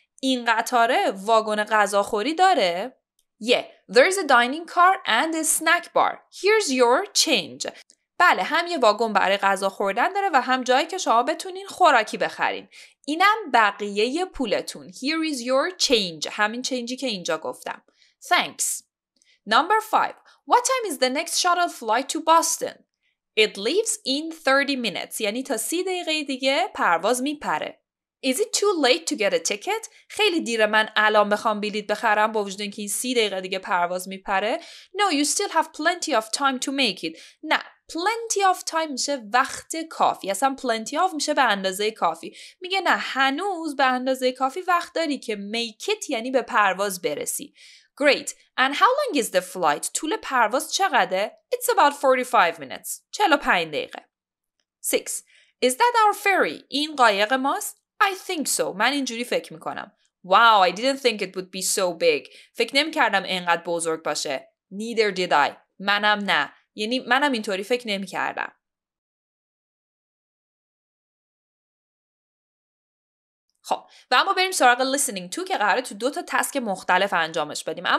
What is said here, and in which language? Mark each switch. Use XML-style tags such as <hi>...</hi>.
<fa>این قطاره واگن غذاخوری داره؟</fa> <en>Yeah, there's a dining car and a snack bar. Here's your change.</en> <fa>بله، هم یه واگن برای غذا خوردن داره و هم جایی که شما بتونین خوراکی بخرین. اینم بقیه پولتون.</fa> <en>Here is your change.</en> <fa>همین چینجی که اینجا گفتم.</fa> <en>Thanks. Number 5. What time is the next shuttle flight to Boston? It leaves in 30 minutes.</en> <fa>یعنی تا 30 دقیقه دیگه پرواز میپره.</fa> <en>Is it too late to get a ticket?</en> <fa>خیلی دیره من الان بخوام بلیط بخرم با وجود اینکه 30 دقیقه دیگه پرواز میپره.</fa> <en>No, you still have plenty of time to make it.</en> <fa>نه. Plenty of time میشه وقت کافی. اصلا plenty of میشه به اندازه کافی. میگه نه، هنوز به اندازه کافی وقت داری که make it یعنی به پرواز برسی.</fa> <en>Great. And how long is the flight?</en> <fa>طول پرواز چقدره؟</fa> <en>It's about 45 minutes. 45 دقیقه. 6. Is that our ferry?</en> <fa>این قایق ماست؟</fa> <en>I think so.</en> <fa>من اینجوری فکر میکنم.</fa> <en>Wow, I didn't think it would be so big.</en> <fa>فکر نمیکردم اینقدر بزرگ باشه.</fa> <en>Neither did I.</en> <fa>منم نه. یعنی منم اینطوری فکر نمیکردم. خب و اما بریم سراغ listening to که قراره تو دو تا تسک مختلف انجامش بدیم.</fa>